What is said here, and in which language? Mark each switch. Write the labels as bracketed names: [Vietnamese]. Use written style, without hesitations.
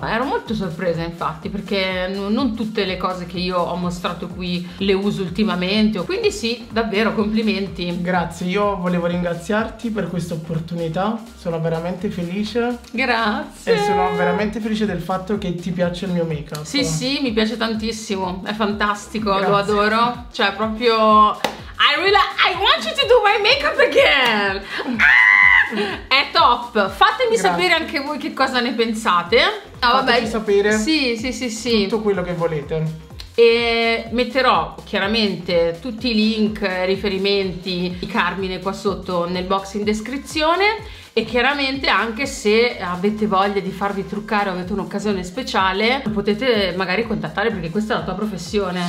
[Italian] Ero molto sorpresa, infatti, perché non tutte le cose che io ho mostrato qui le uso ultimamente. Quindi sì, davvero, complimenti. Grazie, io volevo ringraziarti per questa opportunità, sono veramente felice. Grazie. E sono veramente felice del fatto che ti piace il mio make-up. Sì, sì, mi piace tantissimo, è fantastico. Grazie. Lo adoro. Cioè, proprio... [English] I want you to do my make-up again! [Italian] È top! Fatemi Sapere anche voi che cosa ne pensate. Oh, vabbè. Fateci sapere. Sì, sì, sì, sì. Tutto quello che volete. E metterò chiaramente tutti i link, riferimenti di Carmine qua sotto nel box in descrizione. E chiaramente anche se avete voglia di farvi truccare o avete un'occasione speciale, potete magari contattare, perché questa è la tua professione.